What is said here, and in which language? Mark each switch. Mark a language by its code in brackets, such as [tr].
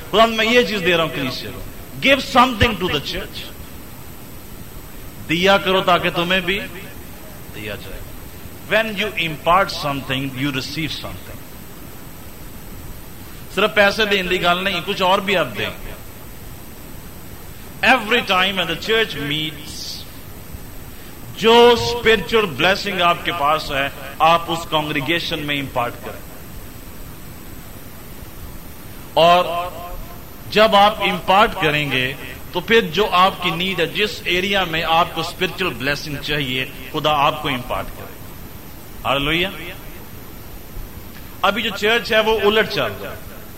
[ur] خدا میں یہ چیز دے رہا ہوں کلیسیا کو, [en] Give something to the church. [ur] دیا کرو تاکہ تمہیں بھی دیا جائے. [en] when you impart something [ur] you receive some thing. صرف پیسے دینے کی گل نہیں, کچھ اور بھی آپ دیں. [en] Every time when the church meets, [ur] جو [en] spiritual blessing [ur] آپ کے پاس ہے آپ اس [en] congregation [ur] میں [en] impart [ur] کریں. اور جب آپ impart کریں گے تو پھر جو آپ کی need ہے, جس ایریا میں آپ کو spiritual blessing چاہیے, خدا آپ کو impart کرے. Hallelujah. ابھی جو church ہے وہ الٹ چل رہا ہے.